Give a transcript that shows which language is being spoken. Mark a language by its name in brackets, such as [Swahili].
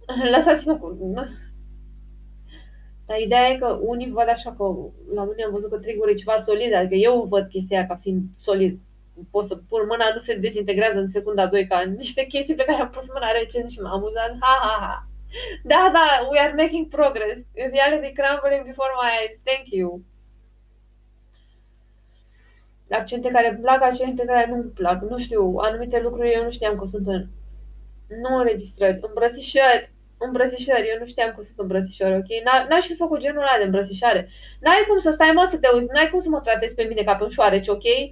[Romanian] Lăsați-mă cu... Dar ideea e că unii văd așa, că la unii am văzut că trigger-ul e ceva solid, adică eu văd chestia ca fiind solid. Pot să pun mâna, nu se dezintegrează în secunda 2 ca niște chestii pe care am pus mâna recent și m-am amuzat. Ha, ha, ha. [English] Da, we are making progress. Reality crumbling before my eyes. Thank you. [Romanian] Accente care îmi plac, accente care nu îmi plac. Nu știu, anumite lucruri eu nu știam că sunt în... Nu înregistrări. Îmbrățișări. Îmbrățișări. Eu nu știam că sunt îmbrățișări, ok? N-aș fi făcut genul ăla de îmbrățișare. N-ai cum să stai, mă, să te auzi. N-ai cum să mă tratezi pe mine ca pe un șoareci, ok?